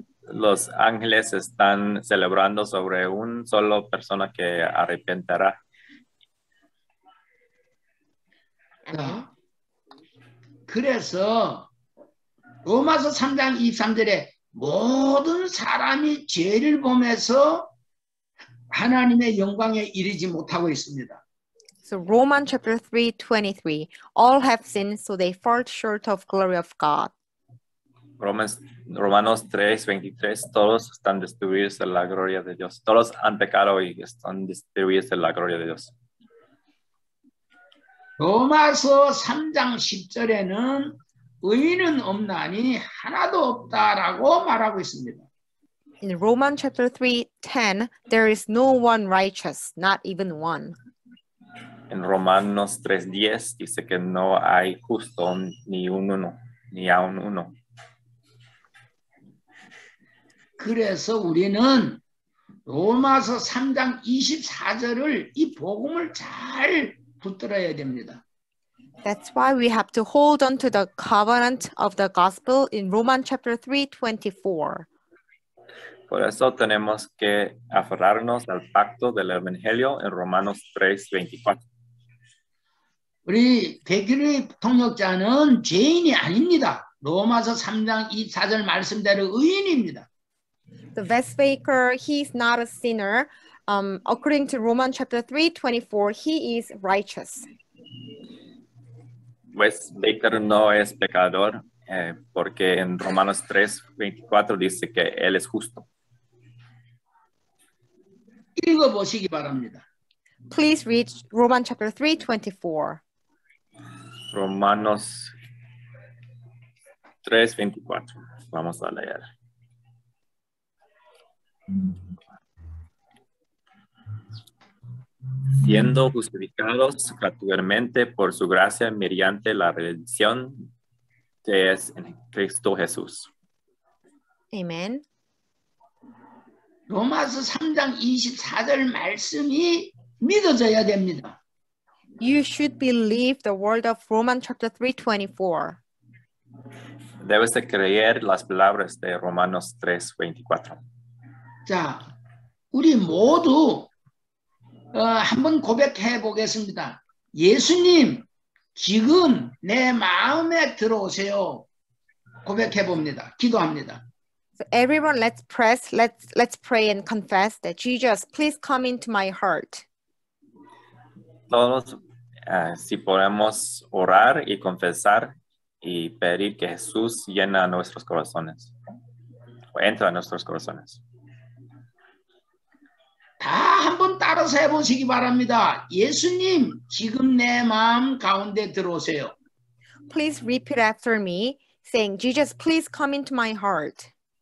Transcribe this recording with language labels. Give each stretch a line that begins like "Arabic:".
Spanish: Los ángeles están celebrando sobre un solo persona que arrepentirá. ¿No?
Korean: 그래서 로마서 3장 23절에 모든 사람이 죄를 범해서 하나님의 영광에 이르지 못하고 있습니다.
English: So Romans chapter 3:23, all have sinned so they fall short of glory of God.
Spanish: Romanos 3:23, todos están destruidos de la gloria de Dios. Todos han pecado y están destruidos de la gloria de Dios.
Korean: Romanos 3장 10절에는 의인은 없나니 하나도 없다라고 말하고 있습니다.
English: In Romans chapter 3:10, there is no one righteous, not even one.
Spanish: En Romanos 3:10 dice que no hay justo ni uno. ni aún uno.
Korean: 그래서 우리는 로마서 3장 24절을 이 복음을 잘 붙들어야 됩니다.
English: That's why we have to hold on to the covenant of the gospel in Romans chapter 3:24.
Spanish: Por eso tenemos que aferrarnos al pacto del evangelio en Romanos 3:24.
Korean: 우리 백인의 통역자는 죄인이 아닙니다. 로마서 3장 24절 말씀대로 의인입니다.
English: The best faker, he's not a sinner. According to Romans chapter 3:24, he is righteous.
Spanish: West Baker no es pecador porque en Romanos 3:24 dice que él es justo.
Korean: 읽어보시기 바랍니다.
English: Please read Romans chapter 3:24.
Spanish: Romanos 3:24. Vamos a leer. Siendo justificados gratuitamente por su gracia mediante la redención que es en Cristo Jesús. Amén.
Korean: Romanos 3장 24절 말씀이 믿어져야 됩니다.
English: You should believe the word of Romans chapter 3:24.
Spanish: Debes de creer las palabras de Romanos 3:24.
Korean: 자, 우리 모두 한번 고백해 보겠습니다. 예수님, 지금 내 마음에 들어오세요. 고백해 봅니다. 기도합니다.
English: So everyone, let's pray and confess that Jesus, please come into my heart.
Spanish: Todos, si podemos orar y confesar y pedir que Jesús llena nuestros corazones o entra a nuestros corazones.
Korean: 다 한번 따라서 해보시기 바랍니다. 예수님, 지금 내 마음 가운데 들어오세요.
English: Please repeat after me, saying, Jesus, please come into my heart.